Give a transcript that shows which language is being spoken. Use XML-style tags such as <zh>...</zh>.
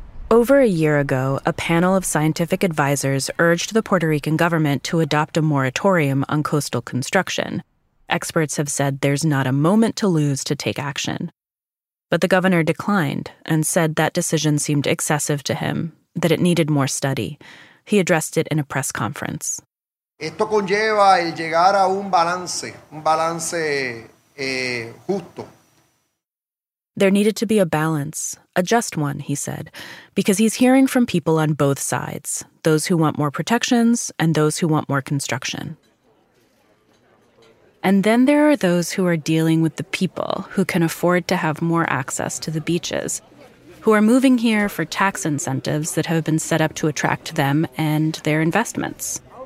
<en>Over a year ago, a panel of scientific advisors urged the Puerto Rican government to adopt a moratorium on coastal construction. Experts have said there's not a moment to lose to take action. But the governor declined and said that decision seemed excessive to him, that it needed more study. He addressed it in a press conference.</en> <es>Esto conlleva el llegar a un balance justo.</es> <en>There needed to be a balance, a just one, he said, because he's hearing from people on both sides, those who want more protections and those who want more construction. And then there are those who are dealing with the people who can afford to have more access to the beaches, who are moving here for tax incentives that have been set up to attract them and their investments.</en>